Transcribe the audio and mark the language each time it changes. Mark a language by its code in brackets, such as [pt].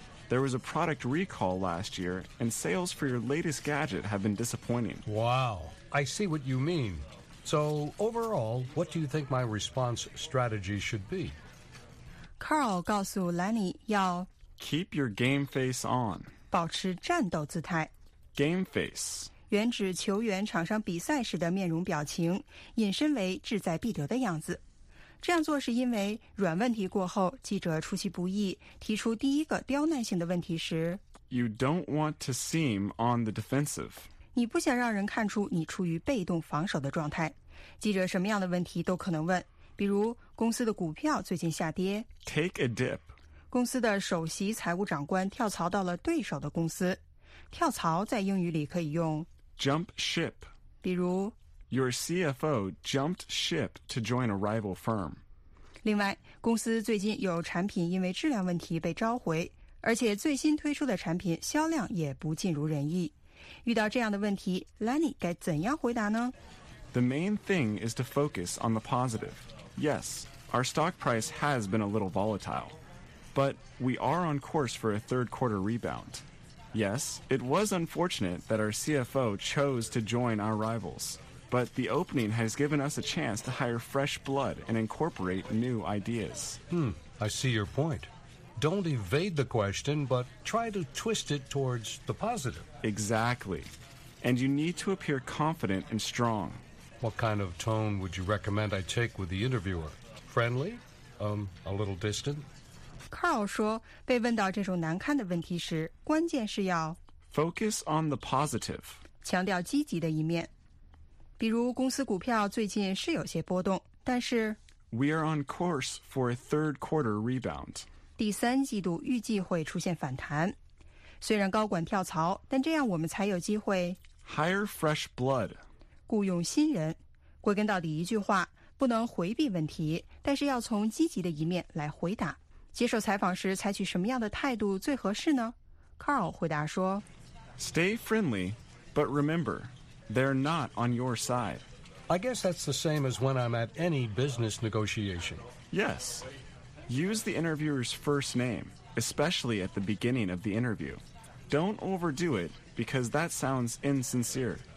[en] There was a product recall last year, and sales for your latest gadget have been disappointing. Wow, I see what you mean. So, overall, what do you think my response strategy should be? [zh] Carl 告诉 Lenny 要 [en] Keep your game face on. [zh] 保持战斗姿态。 [en] Game face. [zh] 原指球员场上比赛时的面容表情，引申为志在必得的样子。这样做是因为软问题过后，记者出其不意提出第一个刁难性的问题时 [en] ，You don't want to seem on the defensive. [zh] 你不想让人看出你处于被动防守的状态。记者什么样的问题都可能问，比如公司的股票最近下跌。 [en] Take a dip. [zh] 公司的首席财务长官跳槽到了对手的公司。跳槽在英语里可以用 [en] jump ship， [zh] 比如 [en] your CFO jumped ship to join a rival firm。 [zh] 另外，公司最近有产品因为质量问题被召回，而且最新推出的产品销量也不尽如人意。遇到这样的问题， Lenny 该怎样回答呢？ [en] The main thing is to focus on the positive. Yes, our stock price has been a little volatileBut we are on course for a third quarter rebound. Yes, it was unfortunate that our CFO chose to join our rivals. But the opening has given us a chance to hire fresh blood and incorporate new ideas. I see your point. Don't evade the question, but try to twist it towards the positive. Exactly. And you need to appear confident and strong. What kind of tone would you recommend I take with the interviewer? Friendly? A little distant? [zh] Carl 说，被问到这种难堪的问题时，关键是要 [en] focus on the positive， [zh] 强调积极的一面。比如公司股票最近是有些波动，但是 [en] we are on course for a third quarter rebound， [zh] 第三季度预计会出现反弹。虽然高管跳槽，但这样我们才有机会 [en] hire fresh blood， [zh] 雇佣新人。归根到底一句话，不能回避问题，但是要从积极的一面来回答。接受采访时采取什么样的态度最合适呢？ Carl 回答说 [en] Stay friendly, but remember, they're not on your side. I guess that's the same as when I'm at any business negotiation. Yes. Use the interviewer's first name, especially at the beginning of the interview. Don't overdo it, because that sounds insincere.